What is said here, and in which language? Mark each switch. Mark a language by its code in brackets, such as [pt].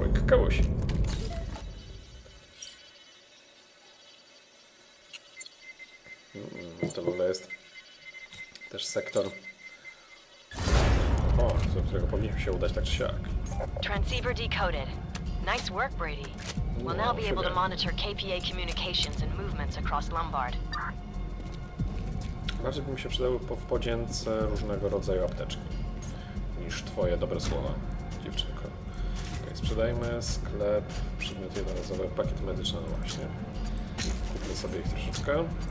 [pl] Kogoś. To w ogóle jest też sektor, o, do którego powinniśmy się udać tak czy siak. [en] Transceiver decoded. Nice work, Brady. We'll now be able to monitor KPA communications and movements across Lombard. [pl] Bardziej by mi się przydały w podzięce różnego rodzaju apteczki niż twoje dobre słowa, dziewczynko. Sprzedajmy sklep, przedmiot jednorazowy, pakiet medyczny, no właśnie. Kupię sobie ich troszeczkę.